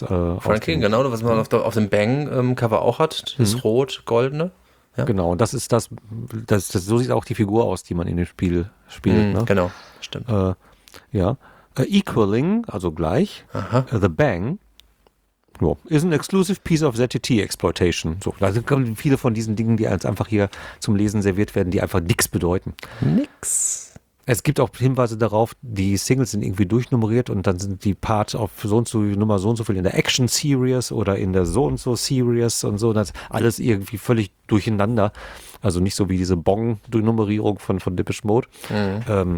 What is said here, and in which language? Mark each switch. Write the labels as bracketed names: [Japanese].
[German] Frankie, genau, was man auf dem Bang-Cover auch hat, das rot-goldene. Ja. Genau, und das ist das, so sieht auch die Figur aus, die man in dem Spiel spielt. Mm, ne? Genau, stimmt. Equaling, also gleich, aha. [English] The Bang, is an exclusive piece of ZTT exploitation. [German] So, da kommen viele von diesen Dingen, die jetzt einfach hier zum Lesen serviert werden, die einfach nichts bedeuten. Nix. Es gibt auch Hinweise darauf, die Singles sind irgendwie durchnummeriert und dann sind die Parts auf so und so Nummer so und so viel in der Action Series oder in der so und so Series und so. Das ist alles irgendwie völlig durcheinander. Also nicht so wie diese Bong-Durchnummerierung von Depeche Mode. Mhm.